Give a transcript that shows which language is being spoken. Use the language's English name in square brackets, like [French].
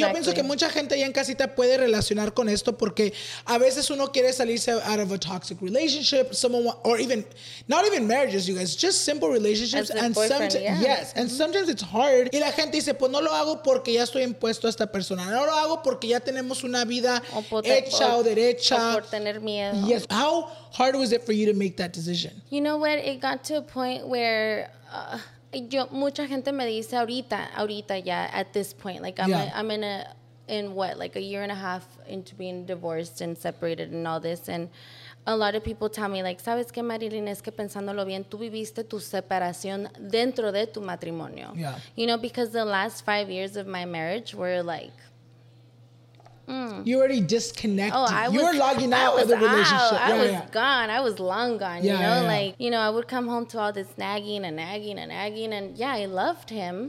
[Spanish] Y yo pienso que mucha gente ya en casita puede relacionar con esto porque a veces uno quiere salirse [English] out of a toxic relationship, not even marriages, you guys, just simple relationships. As and sometimes, yeah. Yes, and sometimes it's hard. [Spanish] Y la gente dice, pues no lo hago porque ya estoy impuesto a esta persona. No lo hago porque ya tenemos una vida hecha o derecha. O por tener miedo. [English] Yes. How hard was it for you to make that decision? You know what? It got to a point where... [Spanish] mucha gente me dice ahorita ya, [English] at this point, like I'm in a year and a half into being divorced and separated and all this, and a lot of people tell me, like, [Spanish] ¿sabes qué, [English] Marilyn? [Spanish] Es que pensándolo bien, tú viviste tu separación dentro de tu matrimonio. [English] Yeah. You know, because the last 5 years of my marriage were like... You already disconnected. Oh, you were logging out of the relationship. I was gone. I was long gone. Yeah, you know, yeah, yeah. Like, you know, I would come home to all this nagging. And yeah, I loved him.